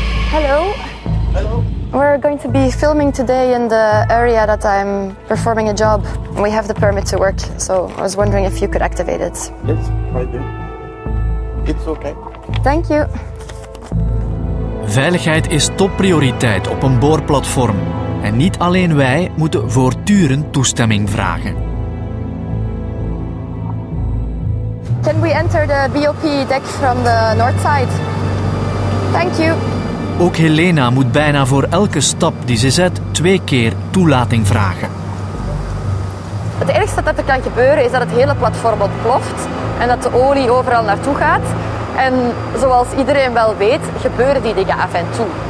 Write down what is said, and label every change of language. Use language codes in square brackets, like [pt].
[en] Hello. Hello. We're going to be filming today in the area that I'm performing a job. We have the permit to work, so I was wondering if you could activate it. Yes, I do. It's okay. Thank you. [nl] Veiligheid is topprioriteit op een boorplatform. En niet alleen wij moeten voortdurend toestemming vragen. [en] Can we enter the BOP deck from the north side? Thank you. [nl] Ook Helena moet bijna voor elke stap die ze zet 2 keer toelating vragen. Het ergste dat er kan gebeuren is dat het hele platform ontploft en dat de olie overal naartoe gaat. En zoals iedereen wel weet, gebeuren die dingen af en toe.